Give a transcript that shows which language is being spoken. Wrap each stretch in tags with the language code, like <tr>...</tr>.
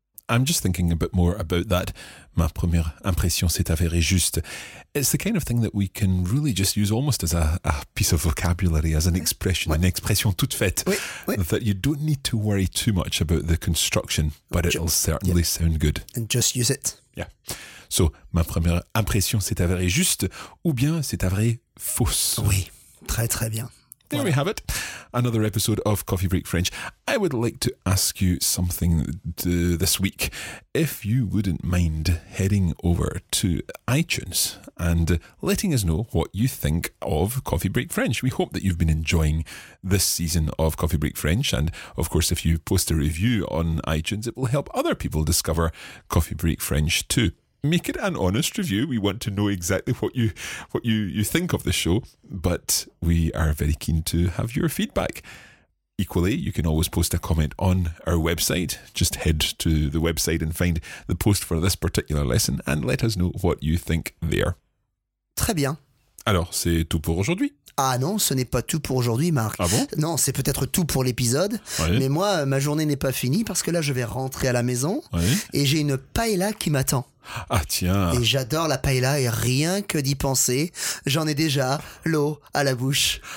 <en>I'm just thinking a bit more about that.</en> <fr>Ma première impression s'est avérée juste.</fr> <en>It's the kind of thing that we can really just use almost as a piece of vocabulary, as an expression,</en> <fr>une expression toute faite.</fr> <en>That you don't need to worry too much about the construction, but it'll certainly sound good. And just use it. Yeah.</en> <fr>So, ma première impression s'est avérée juste, ou bien s'est avérée fausse. Oui, très très bien.</fr> <en>There we have it. Another episode of Coffee Break French. I would like to ask you something this week. If you wouldn't mind heading over to iTunes and letting us know what you think of Coffee Break French. We hope that you've been enjoying this season of Coffee Break French. And of course, if you post a review on iTunes, it will help other people discover Coffee Break French too. Make it an honest review. We want to know exactly what you think of the show, but we are very keen to have your feedback. Equally, you can always post a comment on our website. Just head to the website and find the post for this particular lesson and let us know what you think there.</en> <fr>Très bien. Alors, c'est tout pour aujourd'hui. Ah non, ce n'est pas tout pour aujourd'hui, Marc. Ah bon? Non, c'est peut-être tout pour l'épisode. Oui. Mais moi, ma journée n'est pas finie parce que là, je vais rentrer à la maison et j'ai une paella qui m'attend. Ah tiens. Et j'adore la paella et rien que d'y penser, j'en ai déjà l'eau à la bouche.</fr>